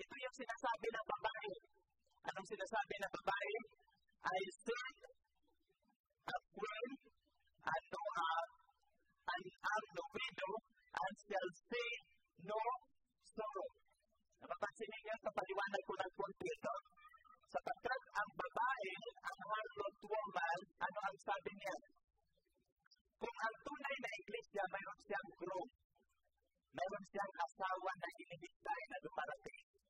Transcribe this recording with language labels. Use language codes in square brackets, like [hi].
[tl] Ito yung sinasabi ng babae. Anong sinasabi ng babae? [en] I said, a queen, and no and am no widow, and shall see no sorrow. [tl] Napapansin niya sa paliwanag ko ng konti ito. Sapagkat ang babae, ang harlot woman, ano ang sabi niya? Kung ang tunay na iglesia, mayroon siyang groom. Meron siyang asawa na hinihintay na dumarating.